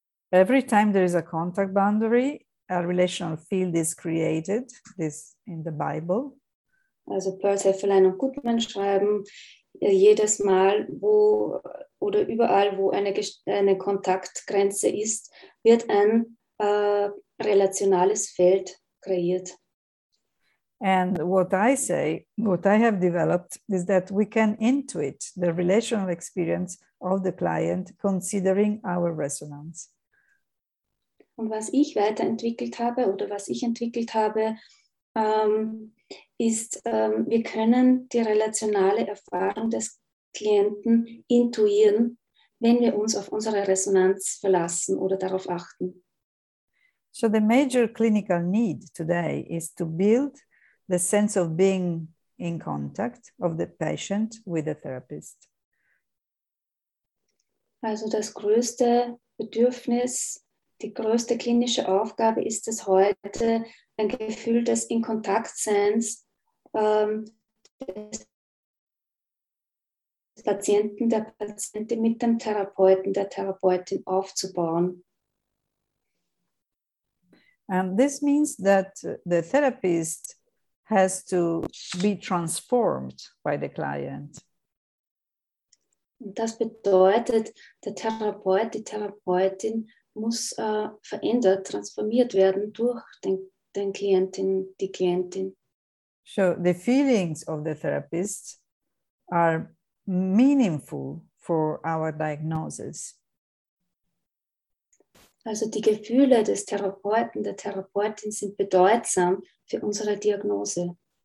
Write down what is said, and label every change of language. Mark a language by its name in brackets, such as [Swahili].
[English] Every time there is a contact boundary, a relational field is created, this in the Bible. [German] Also Peirce, Heffernan und Goodman schreiben, jedes Mal, wo oder überall, wo eine Kontaktgrenze ist, wird ein relationales Feld kreiert. [English] And what I say, what I have developed, is that we can intuit the relational experience of the client considering our resonance. [German] Und was ich weiterentwickelt habe oder was ich entwickelt habe, ist, wir können die relationale Erfahrung des Klienten intuieren, wenn wir uns auf unsere Resonanz verlassen oder darauf achten. [English] So the major clinical need today is to build the sense of being in contact of the patient with the therapist. [German] Also das größte Bedürfnis, die größte klinische Aufgabe ist es heute, ein Gefühl des In-Kontakt-Seins des Patienten, der Patientin mit dem Therapeuten, der Therapeutin aufzubauen. [English] And this means that the therapist has to be transformed by the client. [German] Und das bedeutet, der Therapeut, die Therapeutin muss verändert, transformiert werden durch den Klientin, die Klientin. [English] So the feelings of the therapist are meaningful for our diagnosis. [German] Also die Gefühle des Therapeuten, der Therapeutin sind bedeutsam für unsere Diagnose.